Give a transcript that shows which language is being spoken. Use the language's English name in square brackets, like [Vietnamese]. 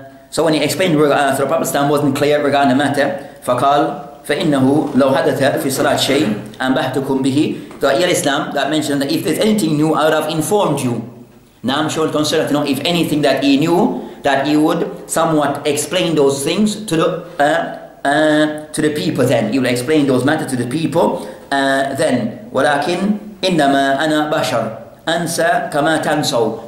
[English] So when he explained, so the Prophet wasn't clear regarding the matter. [Arabic] Faqal, فَإِنَّهُ لَوْ حَدَثَ فِي صَلَاةِ شَيْءٍ أَنْبَهْتُكُمْ بِهِ. [English] So here Islam, that mentioned that if there's anything new, I would have informed you. Now I'm sure concerned to know if anything that he knew, that he would somewhat explain those things to the people then. He would explain those matters to the people then. [Arabic] وَلَكِنْ إِنَّمَا أَنَا بَشَرٌ أَنْسَى كَمَا تَنْسَوْ.